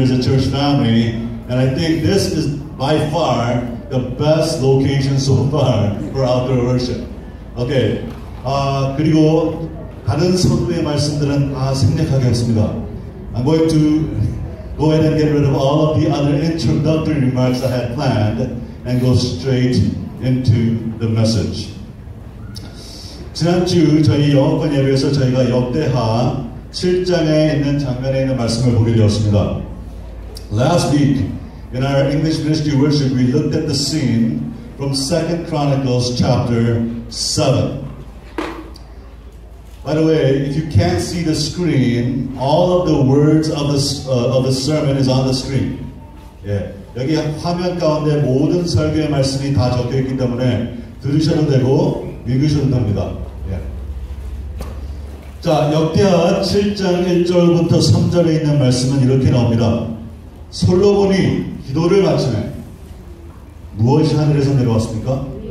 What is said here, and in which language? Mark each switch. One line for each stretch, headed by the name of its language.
English: this is by far the best location so far for outdoor worship. Okay.
Korean: 그리고 다른 성도의 말씀들은 생략하겠습니다.
English: I'm going to go ahead and get rid of all of the other introductory remarks I had planned and go straight into the message.
Korean: 지난주 저희 영어권 예배에서 저희가 역대하 7장에 있는 장면에 있는 말씀을 보게 되었습니다.
English: Last week, in our English ministry worship, we looked at the scene from 2 Chronicles chapter 7. By the way, if you can't see the screen, all of the words of the sermon is on the screen.
Korean: 예, 여기 화면 가운데 모든 설교의 말씀이 다 적혀 있기 때문에 들으셔도 되고 읽으셔도 됩니다. 예. 자, 역대하 7장 1절부터 3절에 있는 말씀은 이렇게 나옵니다. 솔로몬이 기도를 마치매 무엇이 하늘에서 내려왔습니까?